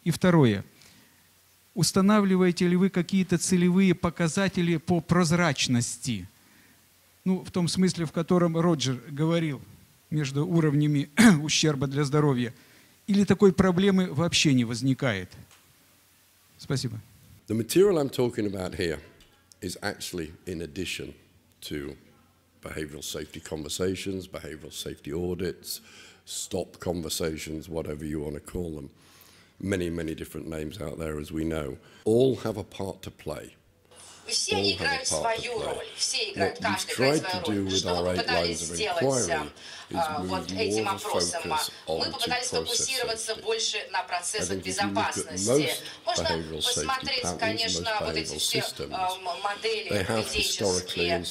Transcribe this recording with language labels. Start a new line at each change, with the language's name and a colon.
Russian: И второе, устанавливаете ли вы какие-то целевые показатели по прозрачности? Ну, в том смысле, в котором Роджер говорил, между уровнями ущерба для здоровья, или такой проблемы вообще не возникает? Спасибо.
English: The material I'm talking about here is actually in addition to behavioral safety conversations, behavioral safety audits, stop conversations, whatever you want to call them. Many, many different names out there, as we know. All have a part to play.
Russian: Все они играют свою роль. Все играют, каждый играет свою роль. Что мы попытались сделать вот этим опросом? Мы попытались фокусироваться больше на процессах безопасности. Можно посмотреть, конечно, вот эти все модели поведенческие.